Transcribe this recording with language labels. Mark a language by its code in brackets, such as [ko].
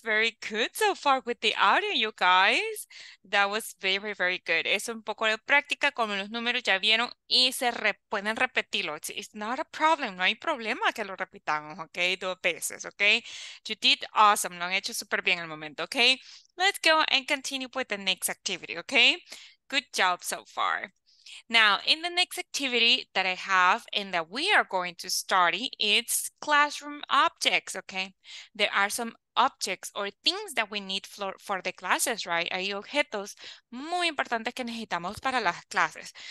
[en] Very good so far with the audio, you guys. That was very, very good. [es] Es un poco de práctica, como los números ya vieron, y se pueden repetirlo. [en] It's not a problem. [es] No hay problema que lo repitamos, okay? Dos veces, okay? [en] You did awesome. [es] Lo han hecho súper bien al momento, okay? [en] Let's go and continue with the next activity, okay? Good job so far. Now, in the next activity that I have and that we are going to study, it's classroom objects, okay? There are some objects or things that we need for the classes, right? [es] Hay objetos muy importantes que necesitamos para las clases.